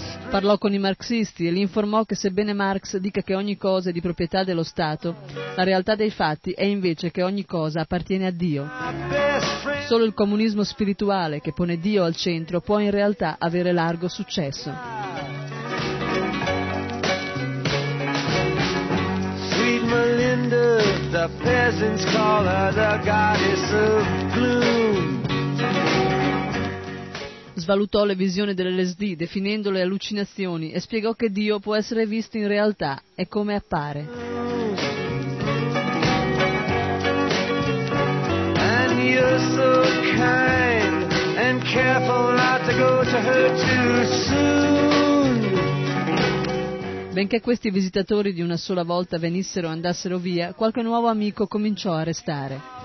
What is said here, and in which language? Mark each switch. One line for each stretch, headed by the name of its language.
Italian: Parlò con i marxisti e li informò che sebbene Marx dica che ogni cosa è di proprietà dello Stato, la realtà dei fatti è invece che ogni cosa appartiene a Dio. Solo il comunismo spirituale, che pone Dio al centro, può in realtà avere largo successo.
English: Sweet Melinda, the peasants call her the goddess of gloom.
Italian: Svalutò le visioni dell'LSD, definendole allucinazioni, e spiegò che Dio può essere visto in realtà e come appare.
English: And you're so kind and careful not to go to her too soon.
Italian: Benché questi visitatori di una sola volta venissero o andassero via, qualche nuovo amico cominciò a restare.